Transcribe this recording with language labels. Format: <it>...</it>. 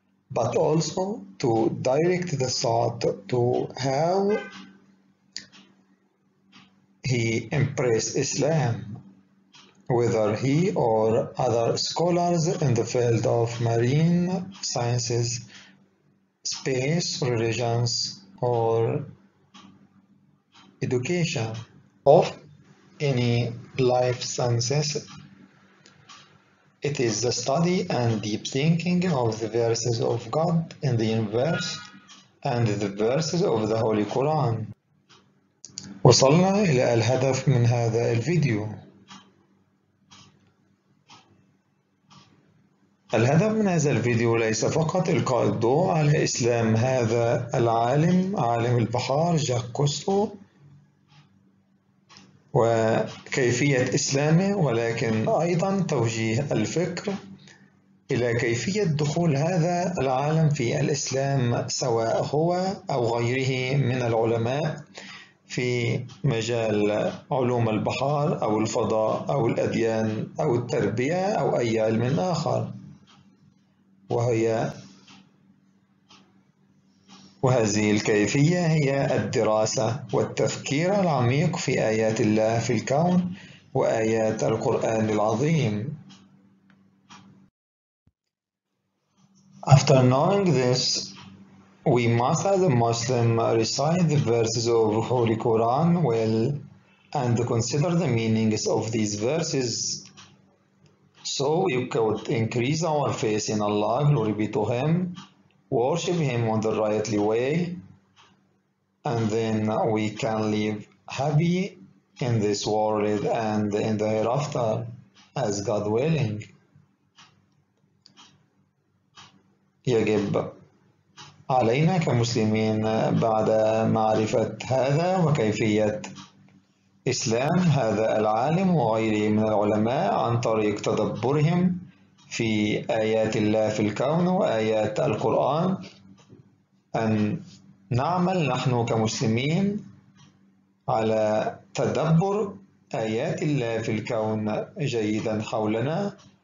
<en>but also to direct the thought to how he embraced Islam, whether he or other scholars in the field of marine sciences, space, religions, or education of any life sciences. It is the study and deep thinking of the verses of God in the universe and the verses of the Holy Quran.</en> <ar>وصلنا إلى الهدف من هذا الفيديو. الهدف من هذا الفيديو ليس فقط إلقاء الضوء على إسلام هذا العالم، عالم البحار جاك كوستو، وكيفية إسلامه، ولكن أيضا توجيه الفكر إلى كيفية دخول هذا العالم في الإسلام، سواء هو أو غيره من العلماء في مجال علوم البحار أو الفضاء أو الأديان أو التربية أو أي علم آخر. وهذه الكيفية هي الدراسة والتفكير العميق في آيات الله في الكون وآيات القرآن العظيم.</ar> <en>After knowing this, we must as a Muslim recite the verses of the Holy Quran well and consider the meanings of these verses. So we could increase our faith in Allah, glory be to Him, worship Him on the rightly way, and then we can live happy in this world and in the hereafter, as God willing.</en> <ar>يجب علينا كمسلمين بعد معرفة هذا وكيفية إسلام هذا العالم وغيره من العلماء عن طريق تدبرهم في آيات الله في الكون وآيات القرآن، أن نعمل نحن كمسلمين على تدبر آيات الله في الكون جيدا حولنا،</ar>